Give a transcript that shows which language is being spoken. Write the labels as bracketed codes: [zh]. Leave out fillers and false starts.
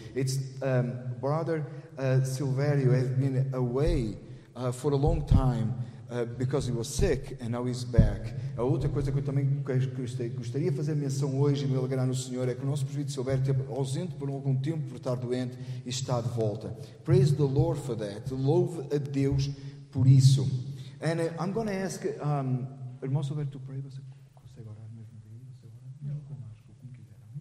[en] It's Brother Silverio has been away for a long time because he was sick, and now he's back. [pt] A outra coisa que eu também gostaria de fazer menção hoje, e me alegrar no Senhor, é que o nosso presbítero Silverio esteve ausente por algum tempo por estar doente e está de volta. [en] Praise the Lord for that. [pt] Louve a Deus por isso. [en] And I'm going to ask, irmão Silverio, to pray. [pt] Você consegue orar mesmo daí? Você ora? Não, com mais, como quiser.